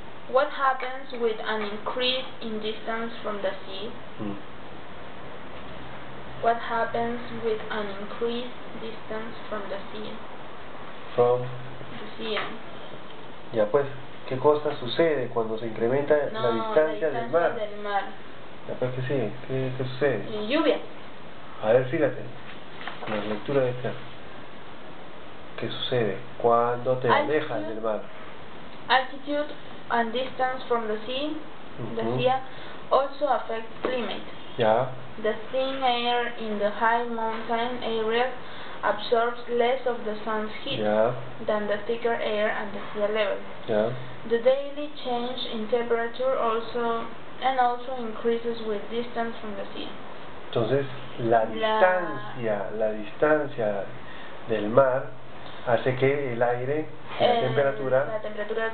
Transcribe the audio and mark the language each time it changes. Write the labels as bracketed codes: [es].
[en] What happens with an increase in distance from the sea? Mm. What happens with an increased distance from the sea? From the sea. [es] Ya pues, ¿qué cosa sucede cuando se incrementa la distancia del mar? Del mar. Ya pues, ¿qué sigue? ¿Qué sucede? Y lluvia. A ver, fíjate, con la lectura de esta. ¿Qué sucede cuando te alejas del mar? [en] Altitude and distance from the sea, uh-huh. the sea also affect climate. Ya. The thin air in the high mountain areas absorbs less of the sun's heat, yeah. than the thicker air at the sea level. Yeah. The daily change in temperature also increases with distance from the sea. [es] Entonces, la distancia del mar hace que el aire y la temperatura